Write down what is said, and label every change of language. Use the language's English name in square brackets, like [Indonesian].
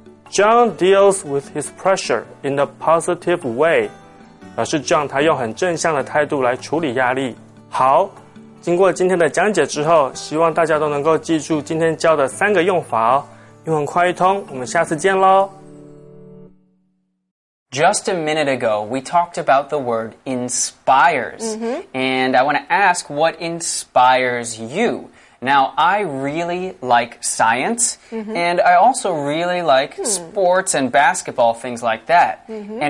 [English] John deals with his pressure in a positive way. [Chinese] 表示 John 他用很正向的态度来处理压力。好，经过今天的讲解之后，希望大家都能够记住今天教的三个用法哦。英文快译通，我们下次见咯。 [English] Just a minute ago, we talked about the word inspires. Mm-hmm. And I want to ask what inspires you? Now, I really like science, mm-hmm. and I also really like sports and basketball, things like that. Mm-hmm.